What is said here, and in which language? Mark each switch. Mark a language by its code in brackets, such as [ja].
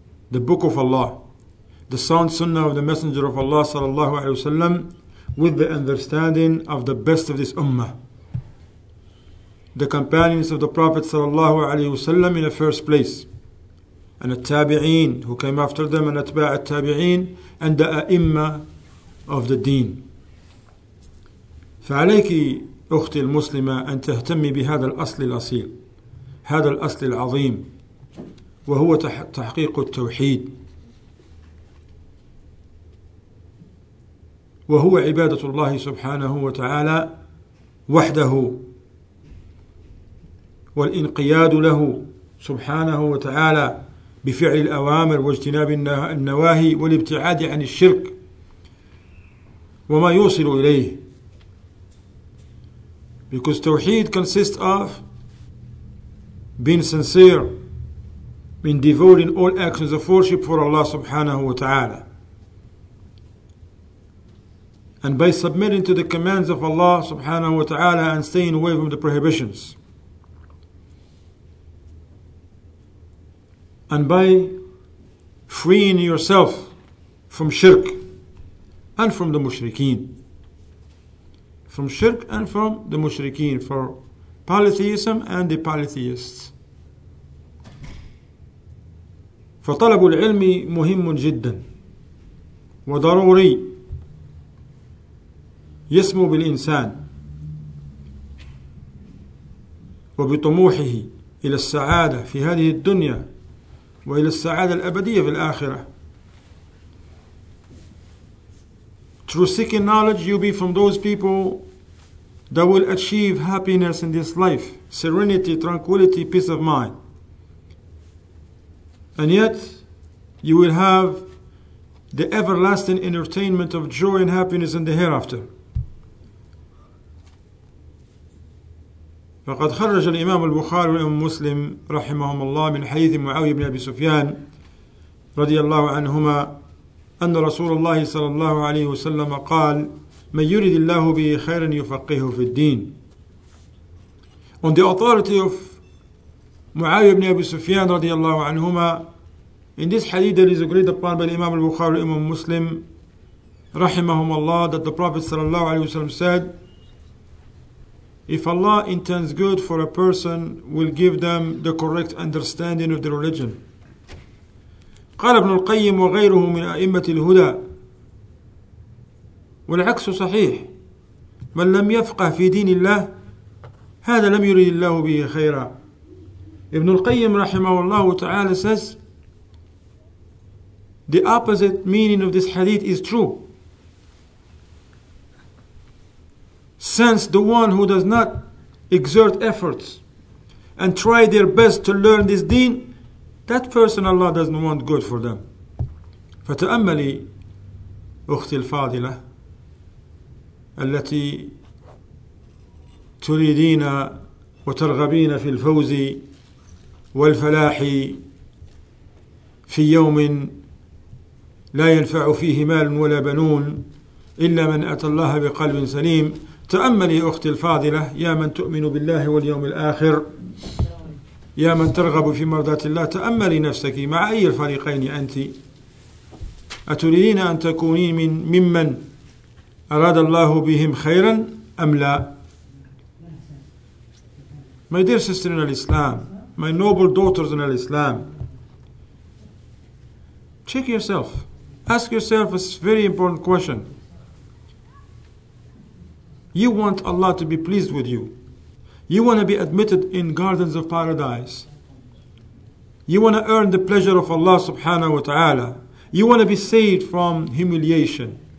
[en] The Book of Allah, the sound Sunnah of the Messenger of Allah sallallahu alaihi wasallam, with the understanding of the best of this Ummah. The companions of the Prophet sallallahu alaihi wasallam in the first place, and the Tabi'een who came after them, and Atba' al-Tabi'een, and the A'imma of the Deen. [ar] فعليك أختي المسلمة أن تهتمي بهذا الأصل الأصيل، هذا الأصل العظيم، وهو تحقيق التوحيد، وهو عبادة الله سبحانه وتعالى وحده، والانقياد له سبحانه وتعالى بفعل الأوامر واجتناب النواهي والابتعاد عن الشرك وما يوصل إليه. [en] Because توحيد consists of being sincere, in devoting all actions of worship for Allah subhanahu wa ta'ala. And by submitting to the commands of Allah subhanahu wa ta'ala and staying away from the prohibitions. And by freeing yourself from shirk and from the mushrikeen. From shirk and from the mushrikeen, for polytheism and the polytheists. [ar] فطلب العلم مهم جدا وضروري يسمو بالإنسان وبطموحه إلى السعادة في هذه الدنيا وإلى السعادة الأبدية في الآخرة. [en] Through seeking knowledge you'll be from those people that will achieve happiness in this life, serenity, tranquility, peace of mind. And yet you will have the everlasting entertainment of joy and happiness in the hereafter. [ar] فقد خرج الإمام البخاري والإمام مسلم رحمهم الله من حديث معاوية بن أبي سفيان رضي الله عنهما أن رسول الله صلى الله عليه وسلم قال من يريد الله به خيرا يفقهه في الدين. [en] On the authority of معاوية بن أبي سفيان [ar] رضي الله عنهما, [en] in this hadith that is agreed upon by Imam al-Bukhari and Imam Muslim [ar] رحمهم الله, [en] that the Prophet sallallahu alaihi wasallam said, if Allah intends good for a person, will give them the correct understanding of the religion. [ar] قال ابن القيم وغيره من أئمة الهدى والعكس صحيح, من لم يفقه في دين الله هذا لم يريد الله به خيرا. [en] ابن القيم رحمه الله تعالى says, the opposite meaning of this hadith is true. Since the one who does not exert efforts and try their best to learn this deen, that person Allah doesn't want good for them. [ar] فتأملي أختي الفاضلة التي تريدين وترغبين في الفوز والفلاح في يوم لا ينفع فيه مال ولا بنون إلا من أتى الله بقلب سليم. تأملي أختي الفاضلة, يا من تؤمن بالله واليوم الآخر, يا من ترغب في مرضات الله, تأملي نفسك مع أي الفريقين أنت؟ أتريدين أن تكونين من ممن أراد الله بهم خيرا أم لا؟ [en] My dear sister in Islam, my noble daughters in Islam, check yourself. Ask yourself a very important question. You want Allah to be pleased with you. You want to be admitted in gardens of paradise. You want to earn the pleasure of Allah subhanahu wa ta'ala. You want to be saved from humiliation.